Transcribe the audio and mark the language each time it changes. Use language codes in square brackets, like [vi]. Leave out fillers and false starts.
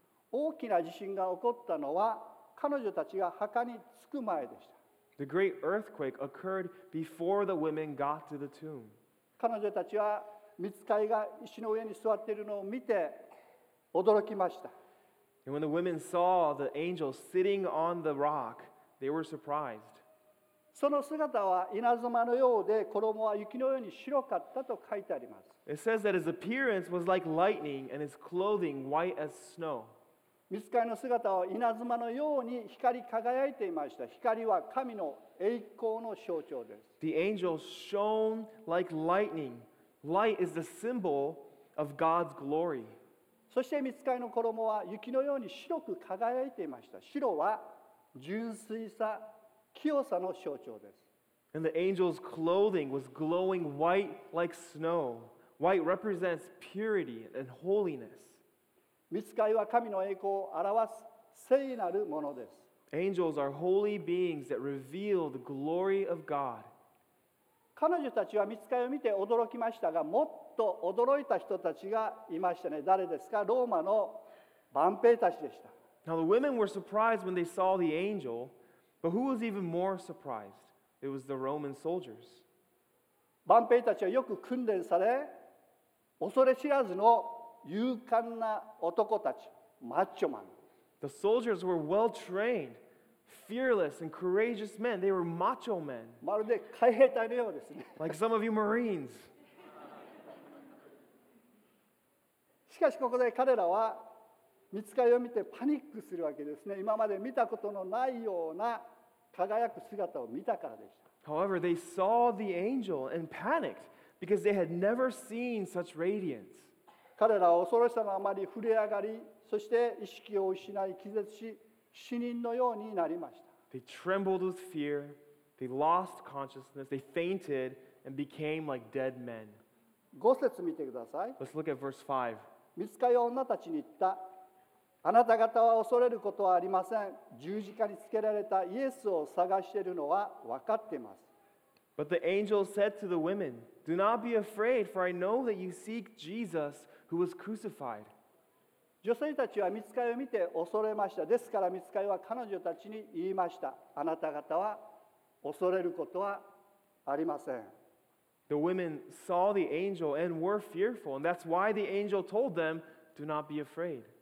[ja] 大きな地震が起こったのは彼女たちが墓に着く前でした。 [en] The great earthquake occurred before the women got to the tomb. [ja] 彼女たちは御使いが石の上に座っているのを見て驚きました。 [en] And when the women saw the angel sitting on the rock, they were surprised. [ja] その姿は稲妻のようで、衣は雪のように白かったと書いてあります。 [en] It says that his appearance was like lightning and his clothing white as snow. [ja] 御使いの姿は稲妻のように光り輝いていました。光は神の栄光の象徴です。 [en] The angel shone like lightning. Light is the symbol of God's glory. [ja] そして御使いの衣は雪のように白く輝いていました。白は純粋さ、清さの象徴です。 [en] And the angel's clothing was glowing white like snow. White represents purity and holiness. [ja] 御使いは神の栄光を表す聖なるものです。 [en] Angels are holy beings that reveal the glory of God. [ja] 彼女たちは御使いを見て驚きましたが、もっと驚いた人たちがいましたね。誰ですか？ローマの番兵たちでした。 [en] Now the women were surprised when they saw the angel, but who was even more surprised? It was the Roman soldiers. [ja] 番兵たちはよく訓練され、恐れ知らずの勇敢な男たち、マッチョマン。 [en] The soldiers were well trained, fearless and courageous men. They were macho men. [ja] まるで海兵隊のようですね。 [en] Like some of you Marines. [ja] しかしここで彼らは御使いを見てパニックするわけですね。今まで見たことのないような輝く姿を見たからでした。 [en] However, they saw the angel and panicked because they had never seen such radiance. [ja] 彼らは恐ろしさのあまり震え上がり、そして意識を失い気絶し、死人のようになりました。 [en] They trembled with fear, they lost consciousness, they fainted and became like dead men. [ja] 五節見てください。 [en] Let's look at verse 5. [ja] 御使いは女たちに言った。あなた方は恐れることはありません。十字架につけられたイエスを探しているのは分かっています。 [en] But the angel said to the women, Do not be afraid, for I know that you seek Jesus. Who was crucified. [ja] 女性たちは御使いを見て恐れました。ですから御使いは彼女たちに言いました。あなた方は恐れることはありません。 [en] The women saw the angel and were fearful, and that's why the angel told them, Do not be afraid.